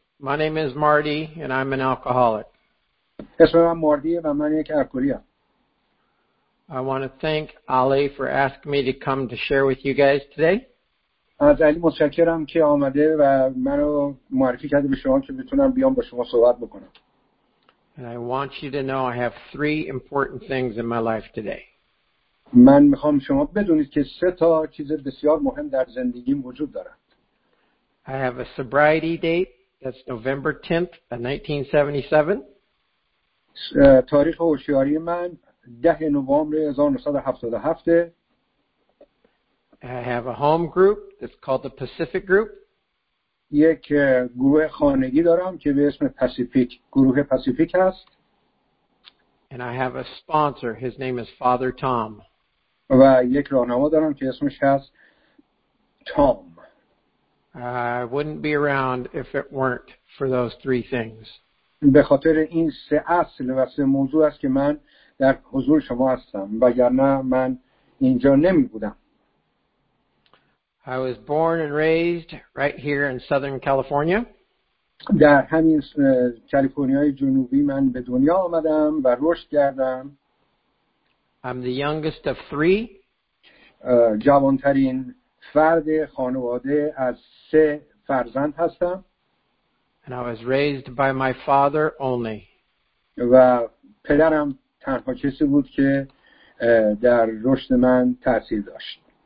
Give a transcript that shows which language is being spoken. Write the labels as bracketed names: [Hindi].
[English] My name is Marty, and I'm an alcoholic. Yes, I'm Marty, and I'm an alcoholic. I want to thank Ali for asking me to come to share with you guys today. [Persian] از علی متشکرم که آمده و منو معرفی کرده به شما که بتونم بیام با شما صحبت بکنم. [English] And I want you to know I have three important things in my life today. [Persian] من میخوام شما بدونید که سه تا چیز بسیار مهم در زندگیم وجود دارند. [English] I have a sobriety date. That's November 10th, 1977. [Persian] تاریخ هوشیاری من 10 نوامبر 1977. [English] I have a home group. That's called the Pacific Group. [Persian] یک گروه خانگی دارم که به اسم پاسیفیک، گروه پاسیفیک هست. [English] And I have a sponsor. His name is Father Tom. [Persian] و یک راهنما دارم که اسمش هست تام. [English] I wouldn't be around if it weren't for those three things. [Persian] به خاطر این سه اصل و سه موضوع است که من در حضور شما هستم، وگرنه من اینجا نمی بودم. [English] I was born and raised right here in Southern California. [Persian] در همین کالیفرنیای جنوبی من به دنیا آمدم و رشد کردم. [English] I'm the youngest of three. [Persian] جوانترین فرد خانواده از سه فرزند هستم. [English] And I was raised by my father only. [Persian] و پدرم تنها کسی بود که در رشد من تأثیر داشت.